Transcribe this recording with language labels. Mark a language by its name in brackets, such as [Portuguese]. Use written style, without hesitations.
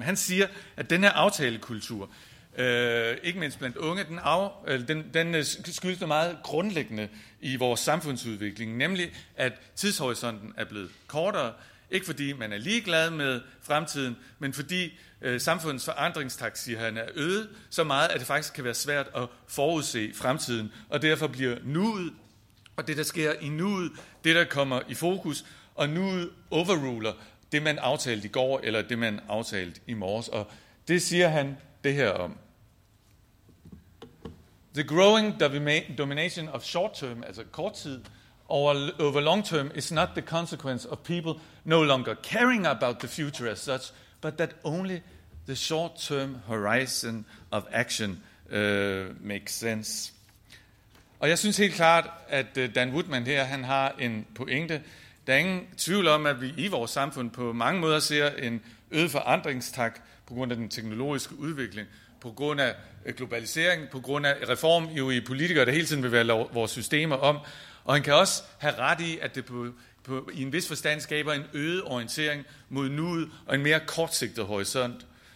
[Danish] Han siger, at den her aftalekultur, ikke mindst blandt unge, den skyldes meget grundlæggende i vores samfundsudvikling, nemlig at tidshorisonten er blevet kortere, ikke fordi man er ligeglad med fremtiden, men fordi samfundets forandringstakt, siger han, er øget så meget, at det faktisk kan være svært at forudse fremtiden, og derfor bliver nuet, og det der sker i nuet, det der kommer i fokus, og nuet overruler det, man aftalte i går, eller det, man aftalte i morges, og det siger han det her om. [English] The growing domination of short term, [Danish] altså kort tid, [English] over long term is not the consequence of people no longer caring about the future as such, but that only the short term horizon of action makes sense. [Danish] Og jeg synes helt klart, at Dan Woodman her, han har en pointe. Der er ingen tvivl om, at vi i vores samfund på mange måder ser en øget forandringstak på grund af den teknologiske udvikling, på grund af globalisering, på grund af reform jo i politikere, der hele tiden vil være vores systemer om. Og han kan også have ret i, at det i en vis forstand skaber en øget orientering mod nuet og en mere kortsigtet horisont.